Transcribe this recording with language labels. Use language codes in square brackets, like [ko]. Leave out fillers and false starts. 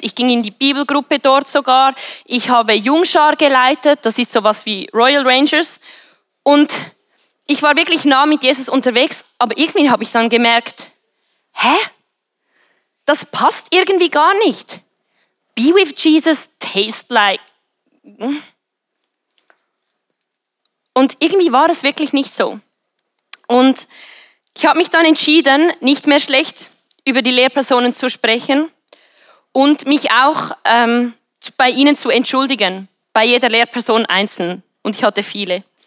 [de] Ich ging in die Bibelgruppe dort sogar. Ich habe Jungschar geleitet. Das ist sowas wie Royal Rangers. Und ich war wirklich nah mit Jesus unterwegs, aber irgendwie habe ich dann gemerkt, hä? Das passt irgendwie gar nicht. [en] Be with Jesus, taste like... [de] Und irgendwie war es wirklich nicht so. Und ich habe mich dann entschieden, nicht mehr schlecht über die Lehrpersonen zu sprechen und mich auch bei ihnen zu entschuldigen, bei jeder Lehrperson einzeln. Und ich hatte viele.